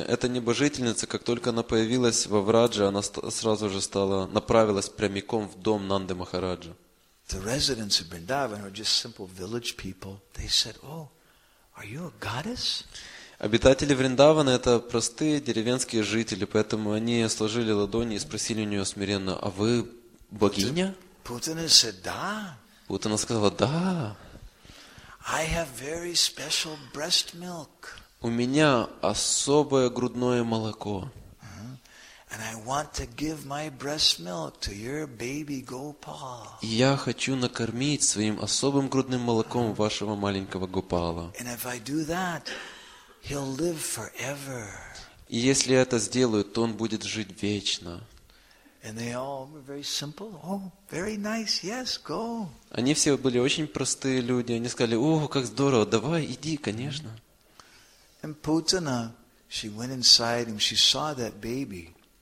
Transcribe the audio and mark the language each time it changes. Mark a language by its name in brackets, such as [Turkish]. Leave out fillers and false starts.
[Russian] Эта небожительница, как только она появилась во Врадже, она сразу же стала направилась прямиком в дом Нанды Махараджа. [English] The residents of Vrindavan were just simple village people. They said, "Oh, are you a goddess?" [Russian] Обитатели Вриндавана это простые деревенские жители, поэтому они сложили ладони и спросили у нее смиренно: "А вы богиня?" [English] Путина said, [Russian] "Да." Путина сказала: "Да." [English] I have very special breast milk. [Russian] У меня особое грудное молоко. [English] And I want to give my breast milk to your baby Gopal. [Russian] Я хочу накормить своим особым грудным молоком вашего маленького Гопала. [English] And if I do that, he'll live forever. [Russian] И если я это сделаю, то он будет жить вечно. [English] And they all were very simple. Oh, very nice. Yes, go. [Russian] Они все были очень простые люди. Они сказали: "О, как здорово! Давай, иди, конечно." [English] And Putina, she went inside and she saw that baby.